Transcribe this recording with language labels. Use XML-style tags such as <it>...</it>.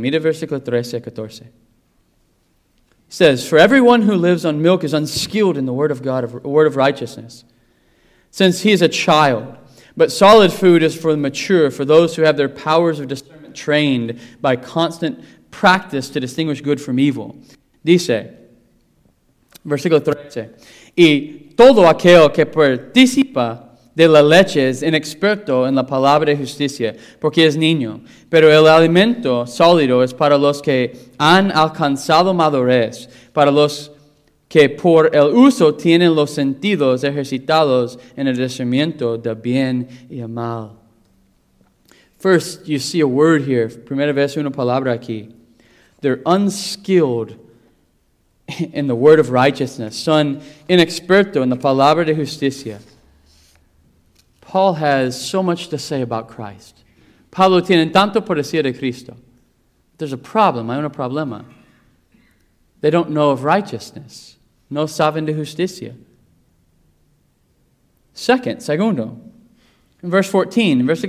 <es>Mira versículo 13 y 14.</es> <en>It says, for everyone who lives on milk is unskilled in the word of God, word of righteousness, since he is a child. But solid food is for the mature, for those who have their powers of discernment trained by constant practice to distinguish good from evil.</en> <es>Dice, versículo 13, y todo aquel que participa de la leche es inexperto en la palabra de justicia, porque es niño. Pero el alimento sólido es para los que han alcanzado madurez, para los que por el uso tienen los sentidos ejercitados en el discernimiento de bien y mal.</es> <en>First, you see a word here,</en> <es>primera vez una palabra aquí.</es> <en>They're unskilled in the word of righteousness.</en> <es>Son inexperto en la palabra de justicia.</es> <en>Paul has so much to say about Christ.</en> <es>Pablo tiene tanto por decir de Cristo.</es> <en>There's a problem.</en> <es>Hay un problema.</es> <en>They don't know of righteousness.</en> <es>No saben de justicia.</es> <en>Segundo. In verse 14.</en>